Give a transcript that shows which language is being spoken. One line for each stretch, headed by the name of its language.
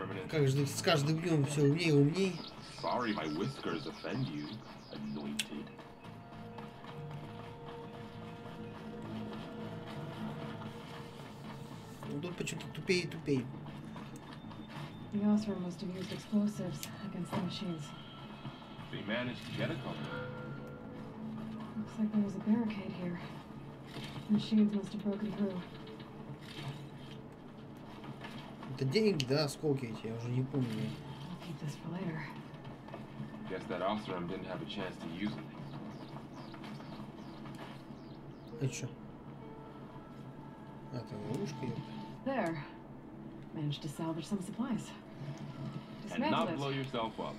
Russian: Как же с каждым днем все умнее и умнее.
English: Sorry, my whiskers offend you, anointed.
Russian: Тут почему-то тупее и тупее.
English: The Osram must have used explosives against the machines. They managed to get a couple. Looks like there was a barricade here. The machines must have broken through.
Russian: Это деньги, да, осколки эти, я уже не помню.
English: I'll keep this for later. Guess that Osram didn't have a chance to use them.
Russian: Это что? Это ловушка?
English: There. Managed to salvage some supplies. And not blow yourself up.